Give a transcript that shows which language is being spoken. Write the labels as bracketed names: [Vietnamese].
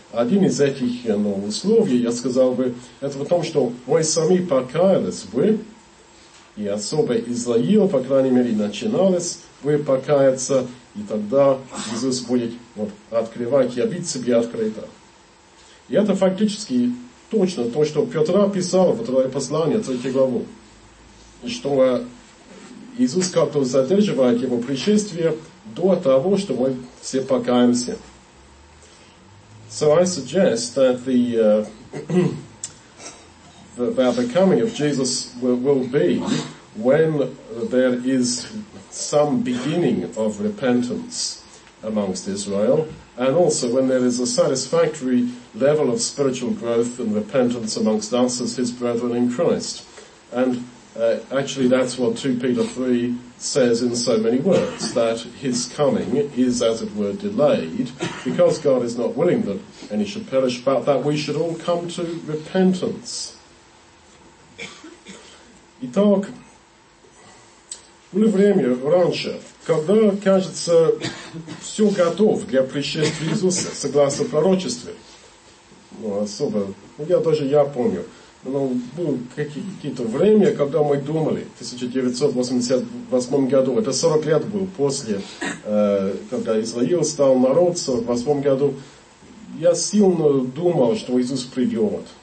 [Russian] Один из этих условий, я сказал бы, это в том, что мы сами покаялись, вы, и особо Израил, по крайней мере, начинались, вы покаяться, и тогда Иисус будет вот, открывать, явить себя открыто. И это фактически точно то, что Петр писал в второе послание, 3 главу, что Иисус как-то задерживает его пришествие до того, что мы все покаемся. [English] So I suggest that the coming of Jesus will be when there is some beginning of repentance amongst Israel, and also when there is a satisfactory level of spiritual growth and repentance amongst us as his brethren in Christ. And actually that's what 2 Peter 3 says in so many words, that his coming is, as it were, delayed, because God is not willing that any should perish, but that we should all come to repentance. [Russian] Итак, было время раньше, когда, кажется, все готово для пришествия Иисуса, согласно пророчеству. Ну, особо, ну, я помню. Но было какое-то время, когда мы думали, в 1988 году, это 40 лет было после, когда Израил стал народ, в 1948 году, я сильно думал, что Иисус придет.